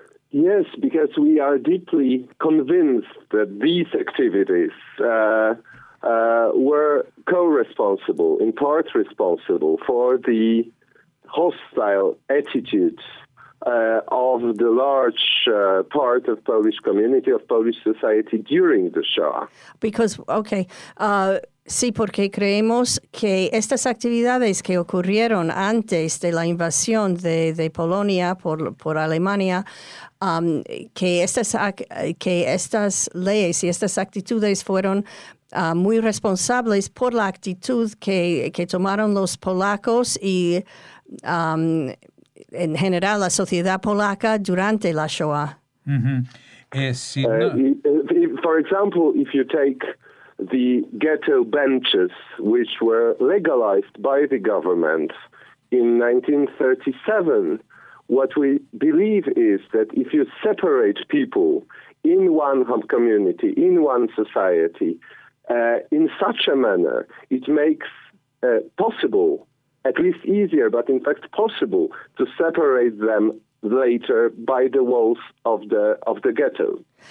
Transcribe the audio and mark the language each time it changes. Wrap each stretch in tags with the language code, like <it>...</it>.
<en>Yes, because we are deeply convinced that these activities were co-responsible, in part responsible, for the hostile attitude of the large part of Polish community, of Polish society during the Shoah. Because, okay,</en> <es>sí, porque creemos que estas actividades que ocurrieron antes de la invasión de Polonia por Alemania, que estas leyes y estas actitudes fueron muy responsables por la actitud que tomaron los polacos y en general la sociedad polaca durante la Shoah. Mm-hmm.</es> <en>For example, if you take the ghetto benches, which were legalized by the government in 1937, what we believe is that if you separate people in one community, in one society, in such a manner, it makes possible, at least easier, but in fact possible, to separate them later by the walls of the ghetto.</en>